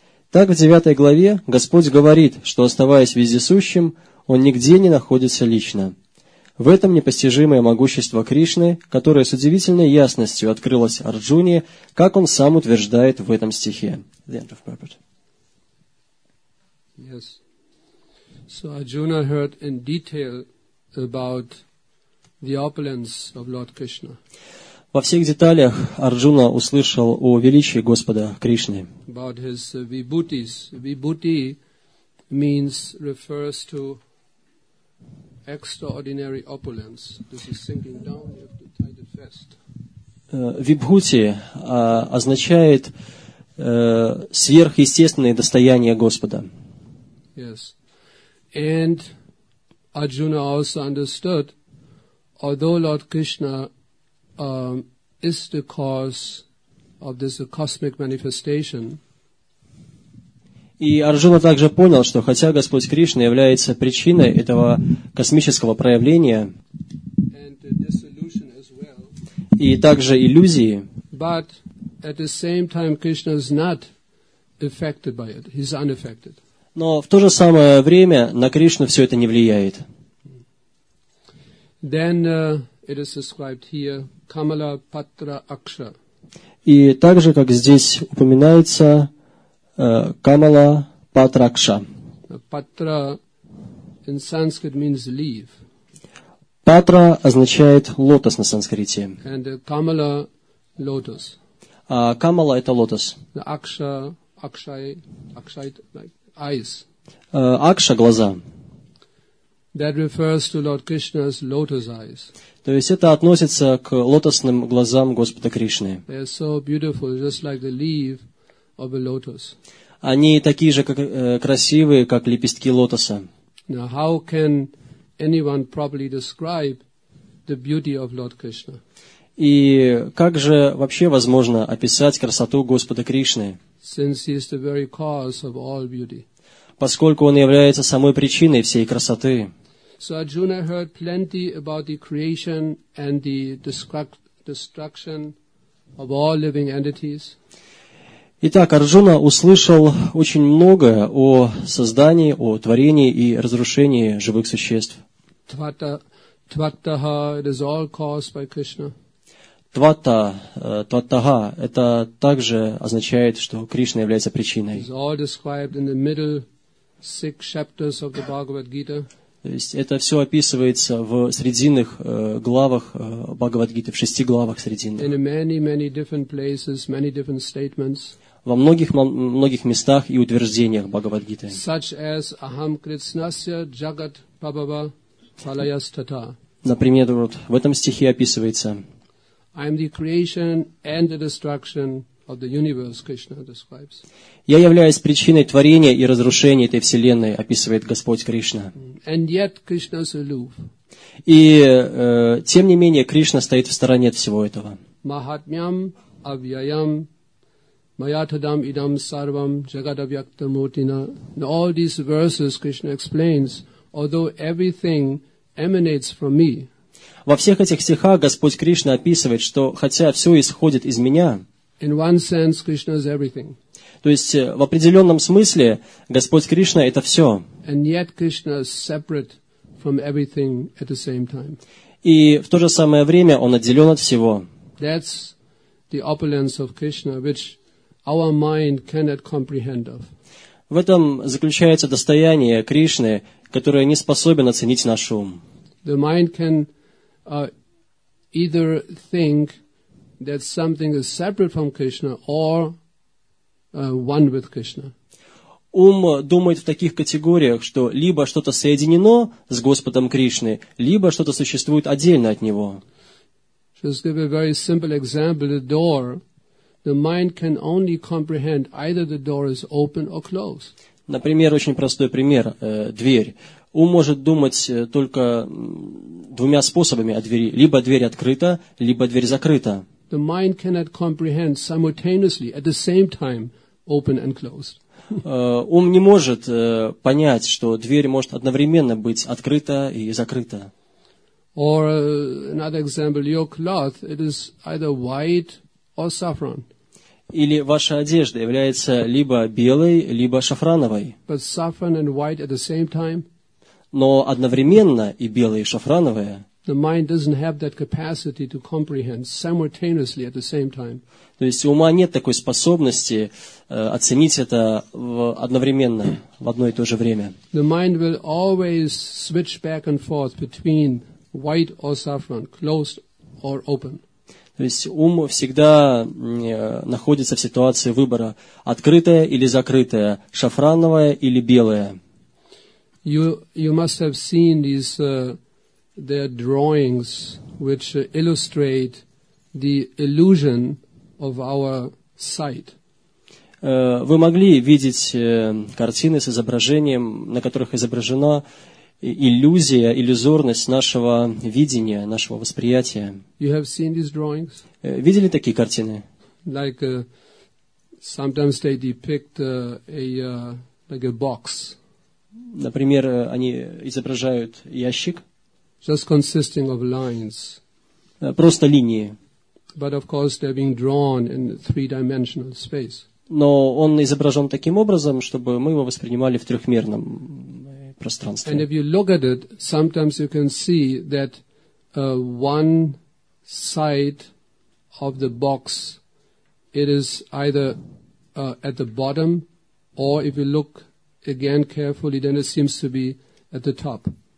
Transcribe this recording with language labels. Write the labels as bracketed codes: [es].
[ru] Так в 9 главе Господь говорит, что, оставаясь вездесущим, он нигде не находится лично. В этом непостижимое могущество Кришны, которое с удивительной ясностью открылось Арджуне, как он сам утверждает в этом стихе. [en] The end of purport. Yes. So Arjuna heard in detail about the opulence of Lord Krishna. [ru] Во всех деталях Арджуна услышал о величии Господа Кришны. [en] About his vibhutis. Vibhuti refers to extraordinary opulence. This is sinking down, you have to tie it fast. [ru] Vibhuti означает сверхъестественное достояние Господа. [en] Yes. And Arjuna also understood, although Lord Krishna is the cause of this cosmic manifestation. [ru] И Арджуна также понял, что хотя Господь Кришна является причиной этого космического проявления [en] well, [ru] и также иллюзии, [en] but at the same time Krishna is not affected by it. He's unaffected. [ru] Но в то же самое время на Кришну все это не влияет. [en] Then, it is described here, Kamala Patra Aksha. [ru] И также, как здесь упоминается, Kamala Patra Aksha. [en] Patra in Sanskrit means leaf. [ru] Patra означает лотос на санскрите. [en] And Kamala lotus. [ru] Kamala это лотос. [en] Aksha, Akshay, Akshay like. Eyes. [ru] Акша – глаза. [en] That refers to Lord Krishna's lotus eyes. [ru] То есть это относится к лотосным глазам Господа Кришны. [en] They are so beautiful, just like the leaf of a lotus. [ru] Они такие же как, красивые, как лепестки лотоса. [en] Now, how can anyone properly describe the beauty of Lord Krishna? [ru] И как же вообще возможно описать красоту Господа Кришны? [en] Since he is the very cause of all beauty. [ru] Поскольку он является самой причиной всей красоты. [en] So Arjuna heard plenty about the creation and the destruction of all living entities. [ru] Итак, Арджуна услышал очень многое о создании, о творении и разрушении живых существ. [en] Тваттаха, it is all caused by Krishna. [ru] Твата, тваттага, это также означает, что Кришна является причиной. [en] It's all described in the middle six chapters of the Bhagavad-gita. [ru] То есть это все описывается в срединных главах Бхагавад-гиты, в шести главах срединных. [en] In many, many different places, many different statements. [ru] Во многих, многих местах и утверждениях Бхагавад-гиты. [en] Such as [sa] Aham Kritsnasya Jagat Pabhava Palayastata. [ru] Например, вот в этом стихе описывается: [en] I am the creation and the destruction of the universe, Krishna describes. [ru] Я являюсь причиной творения и разрушения этой вселенной, описывает Господь Кришна. [en] And yet Krishna is aloof. [ru] И тем не менее Кришна стоит в стороне от всего этого. [sa] Mahatmyam avyayam mayatadam idam sarvam jagadavyaktam motina. [en] All these verses Krishna explains, although everything emanates from me. [ru] Во всех этих стихах Господь Кришна описывает, что хотя все исходит из меня, [en] in one sense, Krishna is everything. [ru] То есть в определенном смысле Господь Кришна – это все. [en] And yet Krishna is separate from everything at the same time. [ru] И в то же самое время Он отделен от всего. [en] That's the opulence of Krishna, which our mind cannot comprehend of. [ru] В этом заключается достояние Кришны, которое не способен оценить наш ум. [en] The mind can either think that something is separate from Krishna or one with Krishna. [ru] Ум думает в таких категориях, что либо что-то соединено с Господом Кришной, либо что-то существует отдельно от Него. [en] Just give a very simple example, the door. The mind can only comprehend either the door is open or closed. [ru] Например, очень простой пример, дверь. Ум может думать только двумя способами о двери. Либо дверь открыта, либо дверь закрыта. [en] The mind cannot comprehend simultaneously, at the same time, open and closed. [ru] Ум не может понять, что дверь может одновременно быть открыта и закрыта. [en] Or another example, your cloth, it is either white or saffron. [ru] Или ваша одежда является либо белой, либо шафрановой. [en] But saffron and white at the same time. [ru] Но одновременно и белое, и шафрановое. [en] The mind doesn't have that capacity to comprehend simultaneously at the same time. [ru] То есть у ума нет такой способности оценить это одновременно, в одно и то же время. [en] The mind will always switch back and forth between white or saffron, closed or open. [ru] То есть ум всегда находится в ситуации выбора, открытое или закрытое, шафрановое или белое. [en] You must have seen these their drawings which illustrate the illusion of our sight. [ru] Вы могли видеть картины с изображением, на которых изображена иллюзия, иллюзорность нашего видения, нашего восприятия. [en] You have seen these drawings? [ru] Видели такие картины? [en] Like sometimes they depict like a box. [ru] Например, они изображают ящик. [en] Just consisting of lines. [ru] Просто линии. [en] But of course they're being drawn in three-dimensional space. [ru] Но он изображен таким образом, чтобы мы его воспринимали в трехмерном пространстве. [en] And if you look at it, sometimes you can see that one side of the box, it is either at the bottom, or if you look again carefully, then it seems to be at the top.